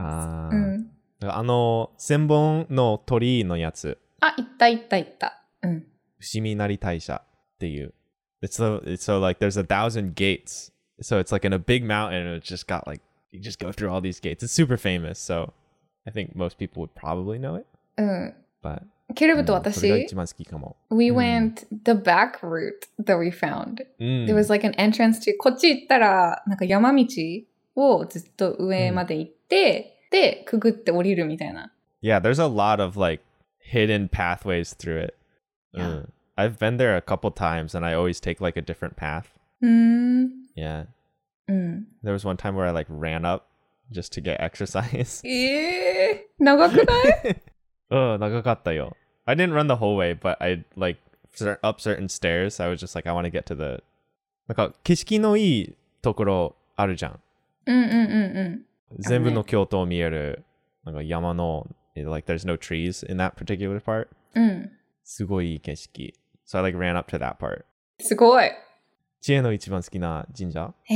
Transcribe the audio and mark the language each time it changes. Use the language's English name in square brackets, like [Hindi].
[Japanese] あの、千本の鳥居のやつ。あ、行った。伏見稲荷大社っていう。 [English] It's so like there's 1,000 gates. So it's like in a big mountain and it's just got like, you just go through all these gates. It's super famous. So I think most people would probably know it. But... [Japanese] ケルブと私、 [English] we went the back route that we found. There was like an entrance to [Japanese] こっち行ったらなんか山道をずっと上まで行って、で、くぐって降りるみたいな。 [English] Yeah, there's a lot of like hidden pathways through it. Yeah. I've been there a couple times and I always take like a different path. Yeah. There was one time where I like ran up just to get exercise. [Japanese] 長くない [English] I didn't run the whole way, but I like up certain stairs. I was just like, I want to get to the. Like, [Japanese] 景色のいいところあるじゃん。全部の京都を見える。なんか山の、 [English] like, there's no trees in that particular part. [Japanese] すごいいい景色。 [English] So I like ran up to that part. [Japanese] すごい。知恵の一番好きな神社？